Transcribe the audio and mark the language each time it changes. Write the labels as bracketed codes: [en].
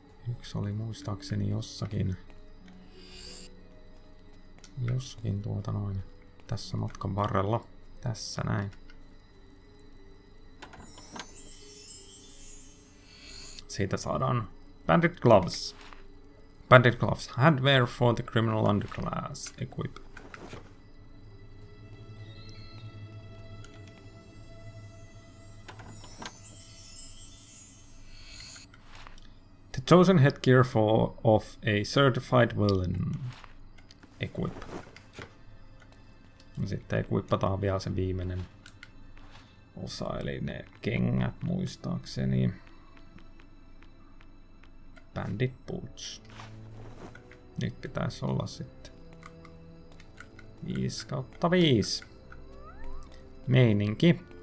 [fi] Yksi oli muistaakseni jossakin tuota noin tässä matkan varrella. Tässä näin. Siitä saadaan Bandit Gloves. [en] Bandit Gloves. Handwear for the criminal underclass. Equip. Chosen headgear for of a certified villain. Equip. [fi] Sitten equipataan vielä se viimeinen osa, eli ne kengät muistaakseni. Bandit boots. Nyt pitäisi olla sitten 5/5. Meininki.